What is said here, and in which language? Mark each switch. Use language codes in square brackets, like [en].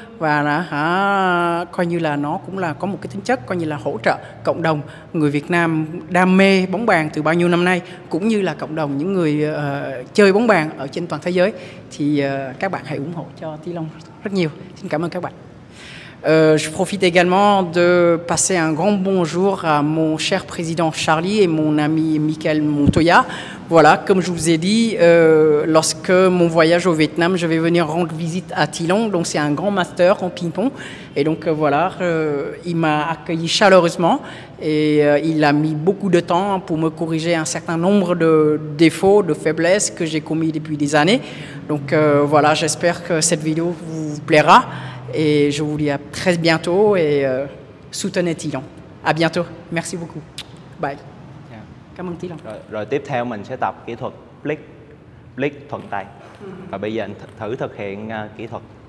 [vi] Và coi như là nó cũng là có một cái tính chất coi như là hỗ trợ cộng đồng người Việt Nam đam mê bóng bàn từ bao nhiêu năm nay, cũng như là cộng đồng những người chơi bóng bàn ở trên toàn thế giới. Thì các bạn hãy ủng hộ cho Ti Long rất nhiều. Xin cảm ơn các bạn. [fr] Je profite également de passer un grand bonjour à mon cher président Charlie et mon ami Michael Montoya. Voilà, comme je vous ai dit, lorsque mon voyage au Vietnam, je vais venir rendre visite à Ti Long. Donc c'est un grand master en ping-pong. Et donc voilà, il m'a accueilli chaleureusement et il a mis beaucoup de temps pour me corriger un certain nombre de défauts, de faiblesses que j'ai commis depuis des années. Donc voilà, j'espère que cette vidéo vous plaira. Et je vous dis à très bientôt et soutenez Ti Long. À bientôt. Merci beaucoup. Bye. Yeah. [vi] Cảm ơn [fr] Ti Long. [vi] Rồi tiếp theo mình sẽ tập kỹ thuật flick thuận tay. Và bây giờ anh thử thực hiện kỹ thuật.